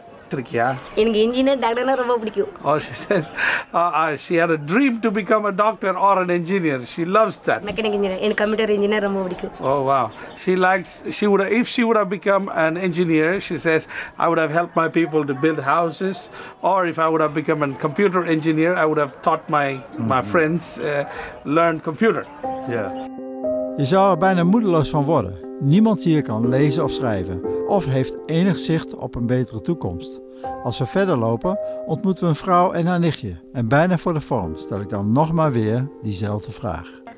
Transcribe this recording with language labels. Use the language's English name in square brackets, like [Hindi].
[Tamil] எனக்கு இன்ஜினியர் டாக்டர்னா ரொம்ப பிடிக்கும். [English] Oh, she says she had a dream to become a doctor or an engineer. She loves that. [Tamil] Mechanic engineer எனக்கு computer engineer ரொம்ப பிடிக்கும். [English] Oh wow. If she would have become an engineer, she says I would have helped my people to build houses, or if I would have become a computer engineer, I would have taught my friends learn computer. Yeah. [Dutch] Je zou er bijna moedeloos van worden. Niemand hier kan lezen of schrijven of heeft enig zicht op een betere toekomst. Als we verder lopen, ontmoeten we een vrouw en haar nichtje. En bijna voor de vorm stel ik dan nog maar weer diezelfde vraag.